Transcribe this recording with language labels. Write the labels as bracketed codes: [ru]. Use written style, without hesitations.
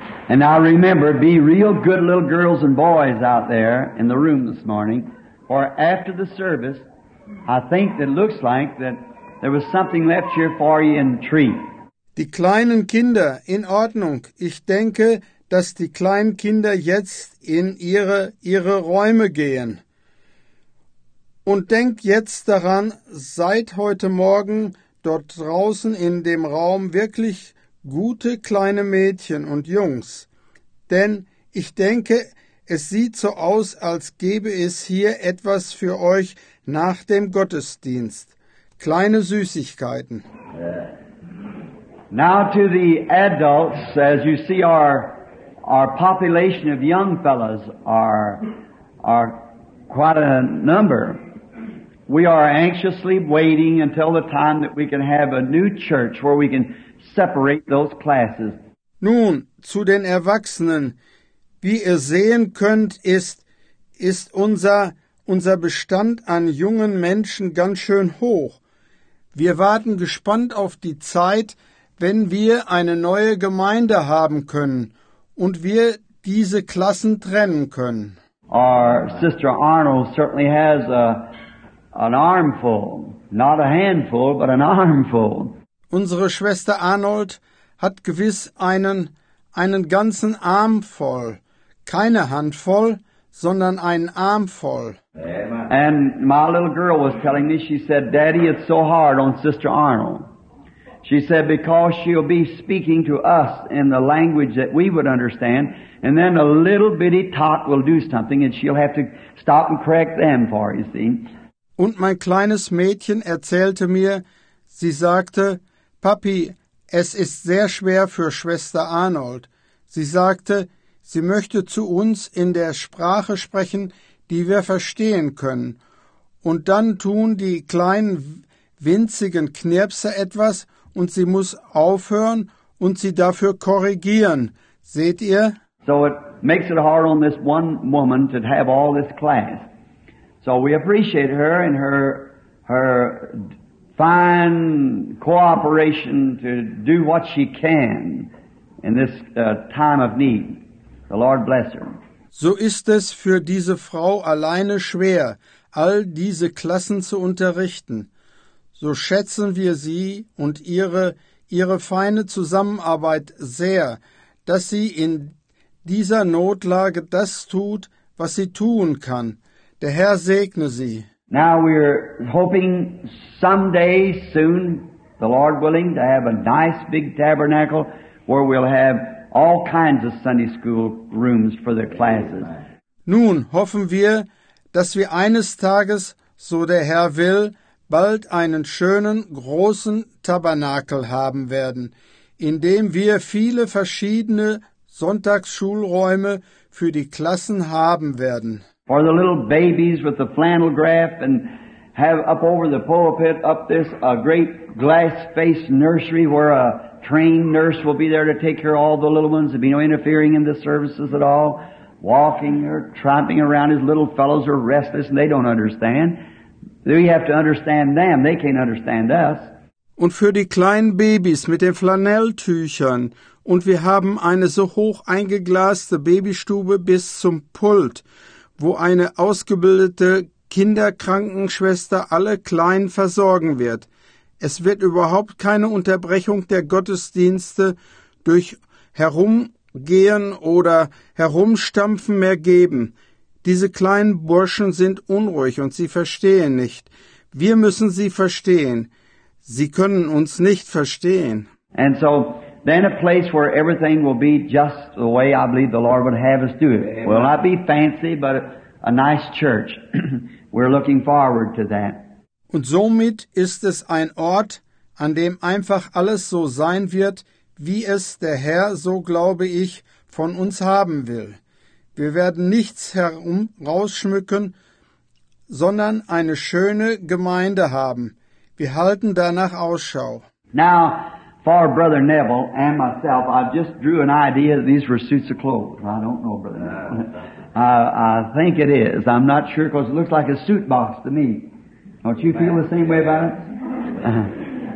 [en] And now remember, be real good little girls and boys out there in the room this morning, for after the service, I think it looks like that there was something left here for you in the tree. [de] Die kleinen Kinder, in Ordnung. Ich denke, dass die kleinen Kinder jetzt in ihre Räume gehen. Und denk jetzt daran, seid heute Morgen dort draußen in dem Raum wirklich gute kleine Mädchen und Jungs. Denn Ich denke, es sieht so aus, als gäbe es hier etwas für euch nach dem Gottesdienst. Kleine Süßigkeiten. [en] Now to the adults, as you see, our population of young fellows are quite a number. We are anxiously waiting until the time that we can have a new church where we can separate those classes. [de] Nun, zu den Erwachsenen. Wie ihr sehen könnt, ist unser Bestand an jungen Menschen ganz schön hoch. Wir warten gespannt auf die Zeit, wenn wir eine neue Gemeinde haben können und wir diese Klassen trennen können. [en] Our Sister Arnold certainly has an armful, not a handful, but an armful. [de] Unsere Schwester Arnold hat gewiss einen ganzen Arm voll. Keine Hand voll, sondern einen Arm voll. [en] And my little girl was telling me, she said, Daddy, it's so hard on Sister Arnold. She said, because she'll be speaking to us in the language that we would understand, and then a little bitty talk will do something, and she'll have to stop and correct them for, you see. [de] Und mein kleines Mädchen erzählte mir, sie sagte, Papi, es ist sehr schwer für Schwester Arnold. Sie sagte, sie möchte zu uns in der Sprache sprechen, die wir verstehen können. Und dann tun die kleinen, winzigen Knirpse etwas, und sie muss aufhören und sie dafür korrigieren. Seht ihr? [en] So it makes it hard on this one woman to have all this class. So we appreciate her and her fine cooperation to do what she can in this time of need. The Lord bless her. [de] So ist es für diese Frau alleine schwer, all diese Klassen zu unterrichten. So schätzen wir sie und ihre feine Zusammenarbeit sehr, dass sie in dieser Notlage das tut, was sie tun kann. Der Herr segne sie. [en] Now we're hoping someday, soon, the Lord willing, to have a nice big tabernacle where we'll have all kinds of Sunday school rooms for their classes. [de] Nun hoffen wir, dass wir eines Tages, so der Herr will, bald einen schönen, großen Tabernakel haben werden, in dem wir viele verschiedene Sonntagsschulräume für die Klassen haben werden. [en] For the little babies with the flannel graph and have up over the pulpit up this a great glass-faced nursery where a trained nurse will be there to take care of all the little ones and be no interfering in the services at all, walking or tramping around as little fellows are restless and they don't understand. We have to understand them. They can't understand us. [de] Und für die kleinen Babys mit den Flanelltüchern. Und wir haben eine so hoch eingeglaste Babystube bis zum Pult, wo eine ausgebildete Kinderkrankenschwester alle Kleinen versorgen wird. Es wird überhaupt keine Unterbrechung der Gottesdienste durch Herumgehen oder Herumstampfen mehr geben. Diese kleinen Burschen sind unruhig und sie verstehen nicht. Wir müssen sie verstehen. Sie können uns nicht verstehen. [en] And so then a place where everything will be just the way I believe the Lord would have us do it. Will not be fancy, but a nice church. We're looking forward to that. [de] Und somit ist es ein Ort, an dem einfach alles so sein wird, wie es der Herr, so glaube ich, von uns haben will. Wir werden nichts herumrausschmücken, sondern eine schöne Gemeinde haben. Wir halten danach Ausschau. [en] Now, for Brother Neville and myself, I just drew an idea that these were suits of clothes. I don't know, Brother Neville. I think it is. I'm not sure, because it looks like a suit box to me. Don't you feel the same way about it?